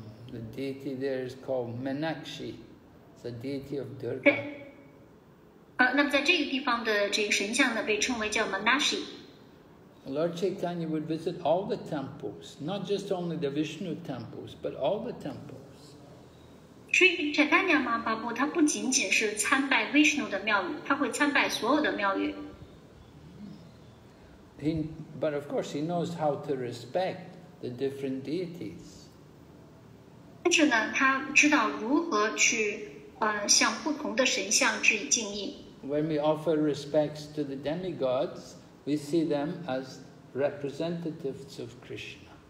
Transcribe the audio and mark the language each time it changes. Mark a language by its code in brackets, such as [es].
[en] The deity there is called Meenakshi, the deity of Durga. [zh] 那么在这个地方的这个神像呢，被称为叫Meenakshi。 [en] Lord Chaitanya would visit all the temples, not just only the Vishnu temples, but all the temples. [zh] 所以，释迦牟尼佛他不仅仅是参拜Vishnu的庙宇，他会参拜所有的庙宇。 [en] But of course, he knows how to respect the different deities. [zh] 但是呢，他知道如何去向不同的神像致以敬意。 [en] When we offer respects to the demigods, we see them as representatives of Krishna.